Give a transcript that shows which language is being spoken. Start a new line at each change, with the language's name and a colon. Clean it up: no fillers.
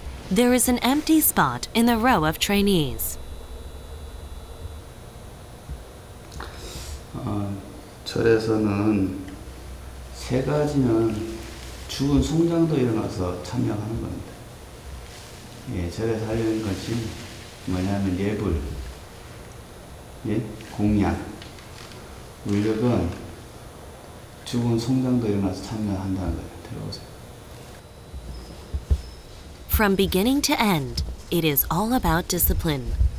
English: There is an empty spot in the row of trainees.
Korean: 절에서는 세 가지는 죽은 송장도 일어나서 참여하는 겁니다. 예, 절에서 하려는 것이 뭐냐면 예불, 예, 공약, 울력은 죽은 송장도 일어나서 참여한다는 거예요. 들어보세요.
English: From beginning to end, it is all about discipline.